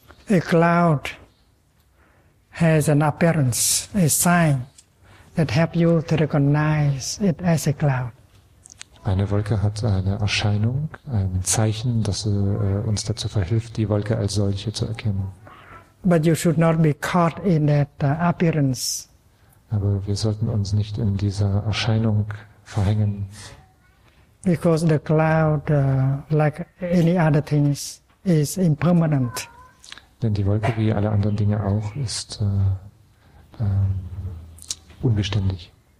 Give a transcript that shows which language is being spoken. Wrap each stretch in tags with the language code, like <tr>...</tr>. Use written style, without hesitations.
<en>A cloud has an appearance, a sign that helps you to recognize it as a cloud.</en> <de>Eine Wolke hat eine Erscheinung, ein Zeichen, das uns dazu verhilft, die Wolke als solche zu erkennen.</de> <en>But you should not be caught in that appearance.</en> <de>Aber wir sollten uns nicht in dieser Erscheinung verhängen.</de> <en>Because the cloud, like any other things, is impermanent.</en> <de>Denn die Wolke, wie alle anderen Dinge auch, ist unbeständig.</de>